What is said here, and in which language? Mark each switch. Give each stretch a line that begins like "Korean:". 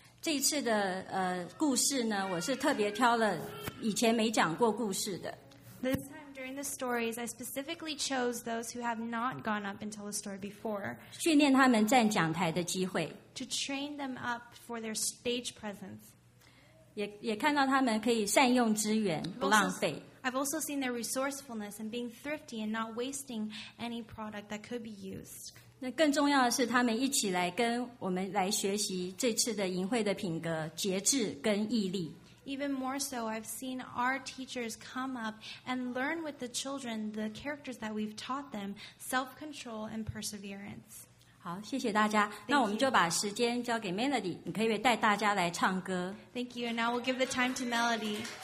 Chinese: 这一次的故事呢，我是特别挑了以前没讲过故事的。
English: This time during the stories, I specifically chose those who have not gone up and told a story before.
Chinese: 训练他们站讲台的机会
English: to train them up for their stage presence.
Chinese: 也看到他们可以善用资源，不浪费。
English: I've also seen their resourcefulness and being thrifty and not wasting any product that could be used.
Chinese: 那更重要的是，他们一起来跟我们来学习这次的营会的品格、节制跟毅力。
English: Even more so, I've seen our teachers come up and learn with the children the characters that we've taught them: self-control and perseverance.
Chinese: 好，谢谢大家。
English: Thank、
Chinese: 那我们就把时间交给 Melody， 你可以带大家来唱歌。
English: Thank you. Now we'll give the time to Melody.